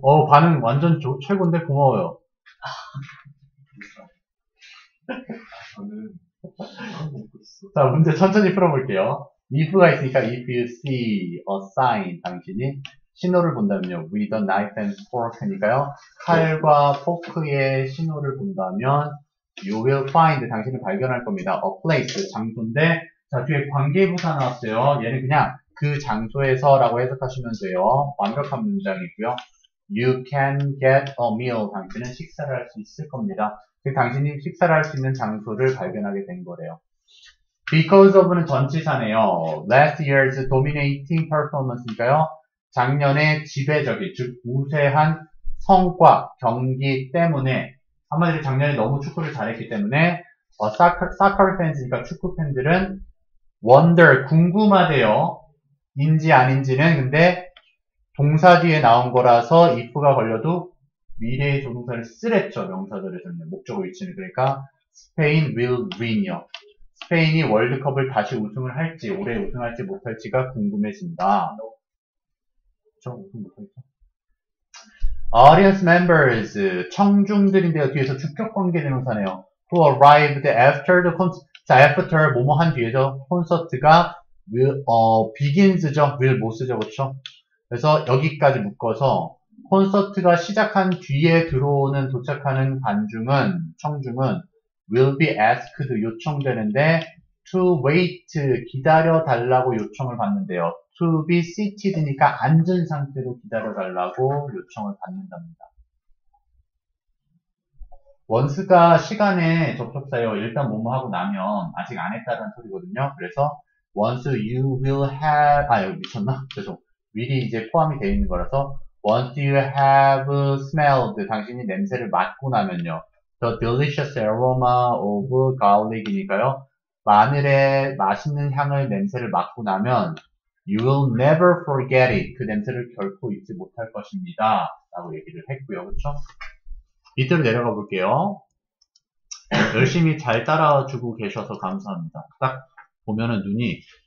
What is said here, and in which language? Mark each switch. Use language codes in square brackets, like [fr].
[ko] 반응 완전 최고인데 고마워요. 자, 문제 천천히 풀어볼게요. [en] if가 있으니까 if you see a sign, [ko] 당신이 신호를 본다면요. [en] with a knife and fork니까요. [ko] 칼과 포크의 신호를 본다면 [en] you will find, [ko] 당신을 발견할 겁니다. a place, 장소인데, 자, 뒤에 관계부사 나왔어요. 얘는 그냥 그 장소에서 라고 해석하시면 돼요. 완벽한 문장이고요. [en] you can get a meal, [ko] 당신은 식사를 할 수 있을 겁니다. 당신이 식사를 할 수 있는 장소를 발견하게 된 거래요. because of는 전치사네요. [en] last year's dominating performance니까요. [ko] 작년에 지배적인, 즉 우세한 성과, 경기 때문에, 한마디로 작년에 너무 축구를 잘했기 때문에 [en] soccer fans [ko] 니까 축구 팬들은 wonder, 궁금하대요. 인지 아닌지는, 근데 동사 뒤에 나온 거라서 if가 걸려도 미래의 조동사를 쓰랬죠. 명사들에서는 목적 위치는, 그러니까 [en] Spain will win [ko] 요. 스페인이 월드컵을 다시 우승을 할지, 올해 우승할지 못할지가 궁금해진다. 못하겠다. [en] Audience members, 청중들인데요. [ko] 뒤에서 주격 관계 대명사네요. [en] Who arrived after the concert? [ko] 자, after 뭐뭐 한 뒤에서 콘서트가 begins죠. will 못 쓰죠, 그렇죠? 그래서 여기까지 묶어서 콘서트가 시작한 뒤에 들어오는 도착하는 관중은 청중은 [en] will be asked [ko] 요청되는데 [en] to wait [ko] 기다려 달라고 요청을 받는데요. [en] to be seated [ko] 니까 앉은 상태로 기다려달라고 요청을 받는답니다. 원스가 시간에 접속사예요. 일단 뭐뭐 하고 나면 아직 안 했다는 소리거든요. 그래서 [en] once you will have, [ko] 아 여기 미쳤나? 죄송. 미리 이제 포함이 되어 있는 거라서 [en] once you have smelled, [ko] 당신이 냄새를 맡고 나면요. [en] the delicious aroma of garlic이니까요. [ko] 마늘의 맛있는 향을 냄새를 맡고 나면 [en] You will never forget it. [ko] 그 냄새를 결코 잊지 못할 것입니다. 라고 얘기를 했고요. 그렇죠? 밑으로 내려가 볼게요. 열심히 잘 따라주고 계셔서 감사합니다. 딱 보면은 눈이